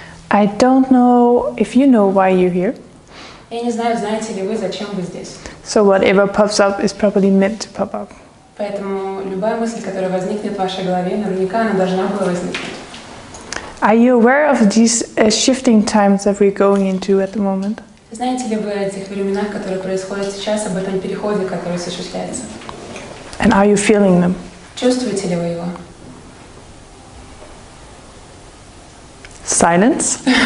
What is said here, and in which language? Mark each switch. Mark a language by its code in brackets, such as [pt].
[en] I don't know if you know why you're here. [ru] Я не знаю, знаете ли вы, зачем вы здесь. [en] So whatever pops up is probably meant to pop up. [ru] Поэтому любая мысль, которая возникнет в вашей голове, наверняка она должна была возникнуть. [en] Are you aware of these shifting times that we're going into at the moment? [ru] Знаете ли вы о тех временах, которые происходят сейчас, об этом переходе, который осуществляется? [en] And are you feeling them? [ru] Чувствуете ли вы его? [en] Silence?